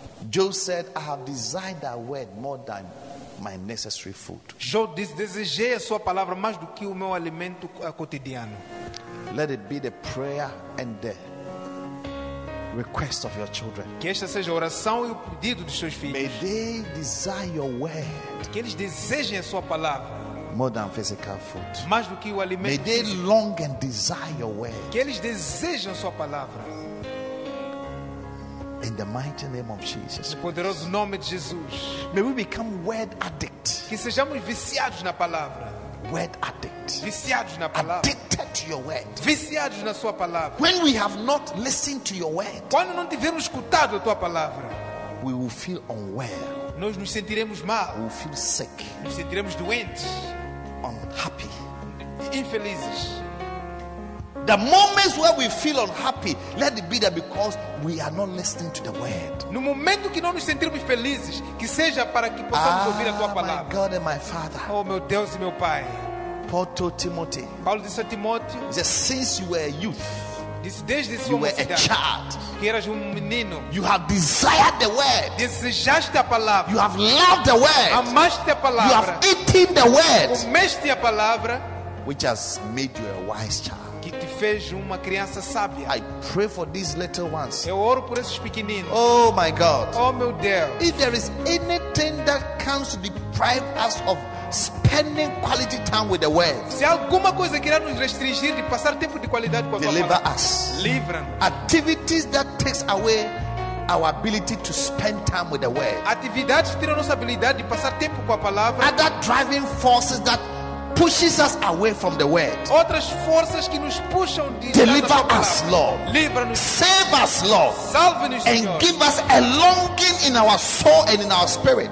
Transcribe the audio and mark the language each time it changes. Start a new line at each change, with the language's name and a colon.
English: Job said, "I have desired that word more than my necessary food."
Portuguese: Job disse, desejei a sua palavra mais do que o meu alimento cotidiano.
English: Let it be the prayer and the request of your children.
Portuguese: Que esta seja a oração e o pedido dos seus filhos.
English: May they desire your word.
Portuguese: Que eles desejem a sua palavra.
English: More than physical food.
Portuguese: Mais do que o alimento.
English: May they long and desire your word.
Portuguese: Que eles desejem a sua palavra.
English: In the mighty name of Jesus.
Portuguese: No poderoso nome de Jesus.
English: May we become word addict.
Portuguese: Que sejamos viciados na palavra.
English: Word addict.
Portuguese: Viciados na palavra.
English: Addicted to your word.
Portuguese: Viciados na sua palavra.
English: When we have not listened to your word.
Portuguese: Quando não tivermos escutado a tua palavra.
English: We will feel unwell.
Portuguese: Nós nos sentiremos mal.
English: We will feel sick.
Portuguese: Nos sentiremos doentes.
English: Unhappy.
Portuguese: Infelizes.
English: The moments where we feel unhappy, let it be that because we are not listening to the word.
Portuguese: No momento que não nos sentirmos felizes, que seja para que possamos ouvir a tua palavra.
English: My God and my Father.
Portuguese: Oh, meu Deus e meu Pai.
English: Paul told Timothy.
Portuguese: Paulo disse a Timóteo.
English: He said, since you were a youth.
Portuguese: Disse, desde
English: you were a child.
Portuguese: Que eras menino.
English: You have desired the word.
Portuguese: Desejaste a palavra.
English: You have loved the word.
Portuguese: Amaste a palavra.
English: You have eaten the word.
Portuguese: Comeste a palavra.
English: Which has made you a wise child.
Portuguese: Que te fez uma criança sábia.
English: I pray for these little ones.
Portuguese: Eu oro por esses pequeninos.
English: Oh my God.
Portuguese: Oh meu Deus.
English: If there is anything that comes to deprive us of spending quality time with the word.
Portuguese: Se alguma coisa que irá nos restringir de passar tempo de qualidade com a
English: deliver
Portuguese: palavra,
English: us.
Portuguese: Livra-nos.
English: Activities that takes away our ability to spend time with the word.
Portuguese: Atividades que tiram nossa habilidade de passar tempo com a palavra.
English: Other driving forces that pushes us away from the word.
Portuguese: Outras forças que nos puxam de
English: deliver us, Lord.
Portuguese: Livra-nos.
English: Save us, Lord.
Portuguese: Salve-nos, Senhor.
English: And give us a longing in our soul and in our spirit.